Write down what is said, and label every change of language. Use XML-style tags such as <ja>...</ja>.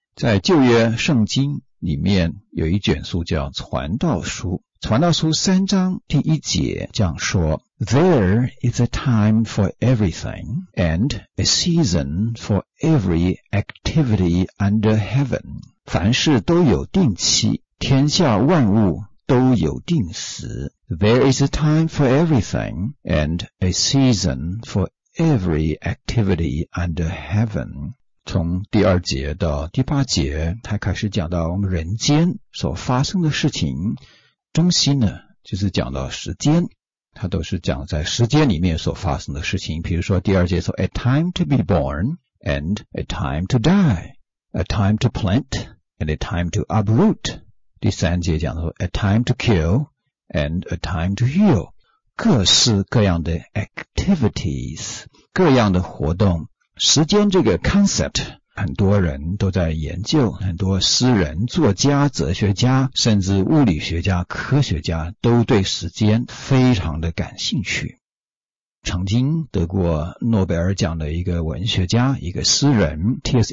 <zh>在旧约圣经里面有一卷书叫传道书，传道书三章第一节这样说，</zh> <en>There is a time for everything and a season for every activity under heaven，</en> <zh>凡事都有定期，天下万物都有定时。</zh> <en>There is a time for everything and a season for every activity under heaven。</en> <zh>从第二节到第八节，他开始讲到我们人间所发生的事情，中心呢就是讲到时间，他都是讲在时间里面所发生的事情。比如说第二节说</zh> <en>A time to be born and a time to die, A time to plant and a time to uproot。</en> <zh>第三节讲到</zh> <en>A time to kill and a time to heal，</en> <zh>各式各样的 activities， 各样的活动。时间这个 concept 很多人都在研究，很多诗人、作家、哲学家甚至物理学家、科学家都对时间非常的感兴趣。曾经得过诺贝尔奖的一个文学家、一个诗人 T.S.</zh>